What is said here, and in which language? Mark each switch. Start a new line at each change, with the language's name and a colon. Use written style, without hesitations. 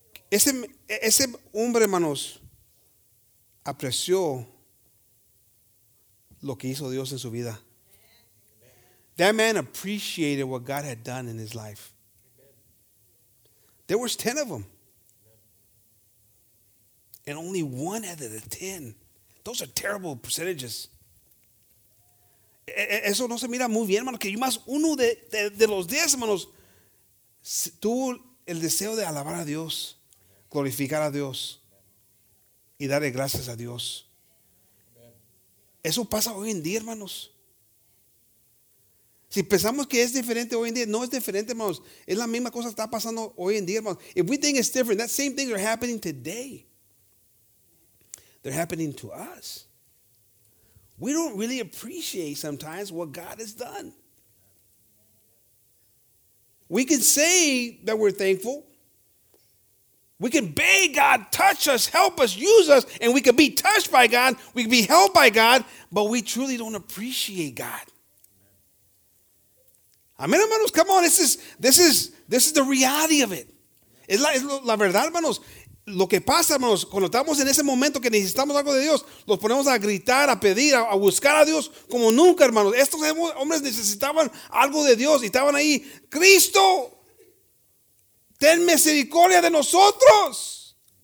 Spanish: Ese hombre, hermanos, apreció lo que hizo Dios en su vida.
English: That man appreciated what God had done in his life. There was 10 of them. And only 1 out of 10. Those are terrible percentages.
Spanish: Eso no se mira muy bien, hermano. Que yo más uno de los 10, hermanos, tuvo el deseo de alabar a Dios, glorificar a Dios y darle gracias a Dios. Eso pasa hoy en día, hermanos. Si pensamos que es diferente hoy en día, no es diferente, hermanos. Es la misma cosa que está pasando hoy en día, hermanos.
English: If we think it's different, that same things are happening today. They're happening to us. We don't really appreciate sometimes what God has done. We can say that we're thankful. We can beg God, touch us, help us, use us, and we can be touched by God. We can be helped by God, but we truly don't appreciate God.
Spanish: Amen, hermanos.
English: Come on, this is the reality of it.
Spanish: Es la verdad, hermanos. Lo que pasa, hermanos, cuando estamos en ese momento que necesitamos algo de Dios, los ponemos a gritar, a pedir, a buscar a Dios como nunca, hermanos. Estos hombres necesitaban algo de Dios y estaban ahí. ¡Cristo! ¡Ten misericordia de nosotros!